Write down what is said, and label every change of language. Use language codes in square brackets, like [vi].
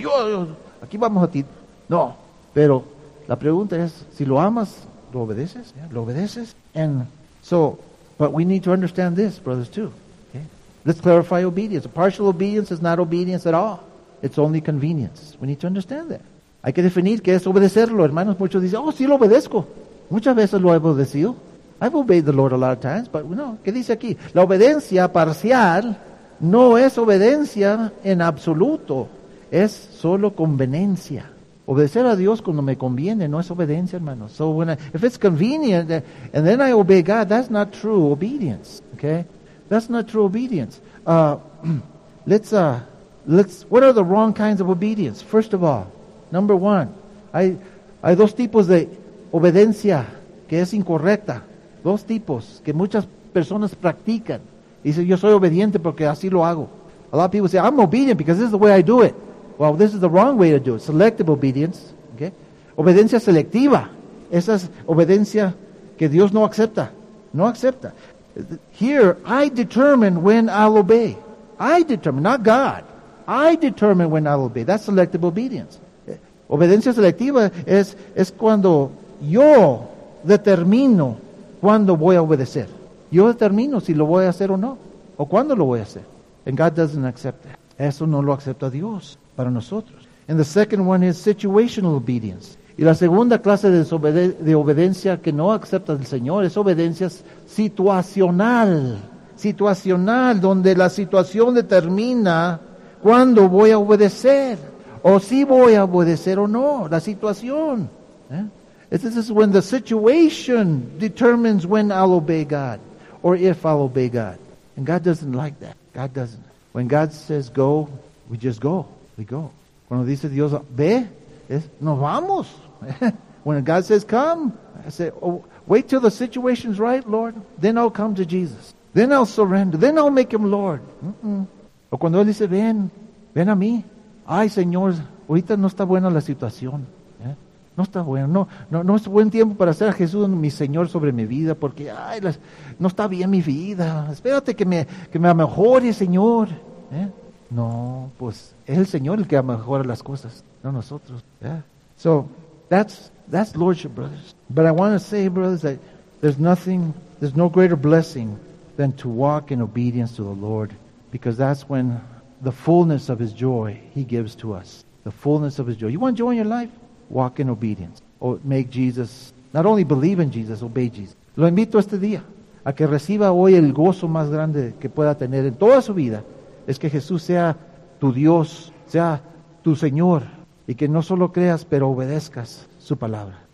[es] Yo, aquí vamos a ti. No, pero la pregunta es, si lo amas, ¿lo obedeces? ¿Ya? ¿Lo obedeces? [en] And so, but we need to understand this, brothers, too. Okay? Let's clarify obedience. Partial obedience is not obedience at all. It's only convenience. We need to understand that. [es] Hay que definir qué es obedecerlo, hermanos. Muchos dicen, oh, sí lo obedezco. Muchas veces lo he obedecido. [en] I've obeyed the Lord a lot of times, but no. [es] ¿Qué dice aquí? La obediencia parcial no es obediencia en absoluto. Es solo conveniencia. Obedecer a Dios cuando me conviene no es obediencia, hermanos. [en] So when if it's convenient, and then I obey God, that's not true obedience. Okay? That's not true obedience. What are the wrong kinds of obedience? First of all, number one, [es] hay dos tipos de obediencia que es incorrecta. Dos tipos que muchas personas practican. Dicen, yo soy obediente porque así lo hago. [en] A lot of people say, I'm obedient because this is the way I do it. Well, this is the wrong way to do it. Selective obedience. Okay? [es] Obediencia selectiva. Esa es obediencia que Dios no acepta. No acepta. [en] Here, I determine when I'll obey. I determine, not God. I determine when I'll obey. That's selective obedience. [es] Obediencia selectiva es cuando yo determino cuándo voy a obedecer. Yo determino si lo voy a hacer o no. O cuándo lo voy a hacer. [en] And God doesn't accept that. [es] Eso no lo acepta Dios para nosotros. [en] And the second one is situational obedience. [es] Y la segunda clase de obediencia que no acepta el Señor es obediencia situacional. Situacional, donde la situación determina ¿cuándo voy a obedecer? ¿O si voy a obedecer o no? La situación. [en] This is when the situation determines when I'll obey God or if I'll obey God. And God doesn't like that. God doesn't. When God says go, we just go. We go. [es] Cuando dice Dios ve, nos vamos. [en] When God says come, I say, oh, wait till the situation's right, Lord. Then I'll come to Jesus. Then I'll surrender. Then I'll make him Lord. Mm-mm. [es] O cuando él dice, ven a mí. Ay, Señor, ahorita no está buena la situación. ¿Eh? No está buena. No es buen tiempo para hacer a Jesús mi Señor sobre mi vida, porque ay, no está bien mi vida. Espérate que me mejore, Señor. ¿Eh? No, pues es el Señor el que mejora las cosas, no nosotros. [en] ¿Eh? So, that's lordship, brothers. But I want to say, brothers, that there's no greater blessing than to walk in obedience to the Lord. Because that's when the fullness of his joy he gives to us. The fullness of his joy. You want joy in your life? Walk in obedience. Or make Jesus, not only believe in Jesus, obey Jesus. [es] Lo invito este día a que reciba hoy el gozo más grande que pueda tener en toda su vida. Es que Jesús sea tu Dios, sea tu Señor. y que no solo creas, pero obedezcas su palabra.